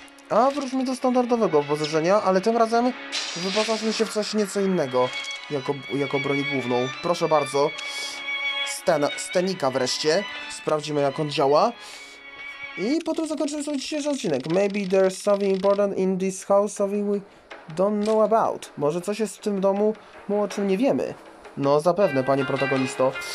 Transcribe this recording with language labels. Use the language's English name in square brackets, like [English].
[Polish] A wróćmy do standardowego obozyżenia, ale tym razem wyposażmy się w coś nieco innego jako broń główną. Proszę bardzo, Stenika wreszcie. Sprawdzimy, jak on działa. I potem zakończymy sobie dzisiejszy odcinek. [English] Maybe there's something important in this house, something we don't know about. [Polish] Może coś jest w tym domu, o czym nie wiemy. No zapewne, panie protagonisto.